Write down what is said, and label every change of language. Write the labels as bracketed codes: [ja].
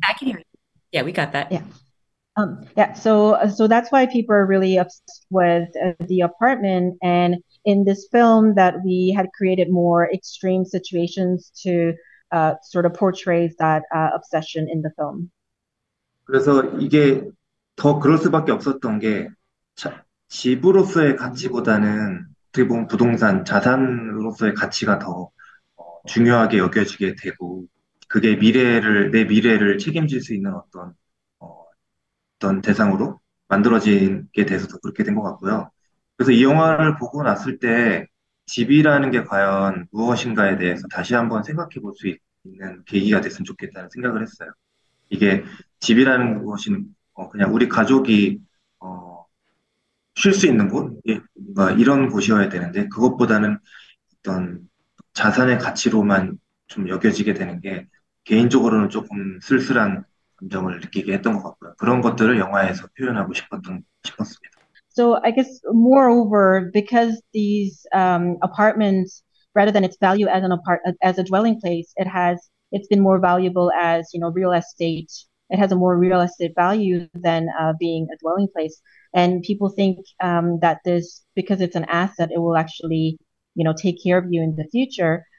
[en] I can hear you. Yeah, we got that. Yeah. So that's why people are really obsessed with the apartment. And in this film that we had created more extreme situations to sort of portray that obsession in the film. [ko] 그래서 이게 더 그럴 수밖에 없었던 게 집으로서의 가치보다는 어떻게 보면 부동산, 자산으로서의 가치가 더 중요하게 여겨지게 되고 그게 내 미래를 책임질 수 있는 어떤 대상으로 만들어진 게 돼서 그렇게 된 것 같고요. 그래서 이 영화를 보고 났을 때 집이라는 게 과연 무엇인가에 대해서 다시 한번 생각해 볼 수 있는 계기가 됐으면 좋겠다는 생각을 했어요. 이게 집이라는 것이 그냥 우리 가족이 쉴 수 있는 곳, 뭔가 이런 곳이어야 되는데 그것보다는 어떤 자산의 가치로만 좀 여겨지게 되는 게 개인적으로는 조금 쓸쓸한 감정을 느끼게 했던 것 같고요. 그런 것들을 영화에서 표현하고 싶었습니다. [en] So I guess moreover, because these apartments, rather than its value as a dwelling place, it's been more valuable as real estate it has a more realistic value than being a dwelling place. And people think that this, because it's an asset, it will actually, you know, take care of you in the future.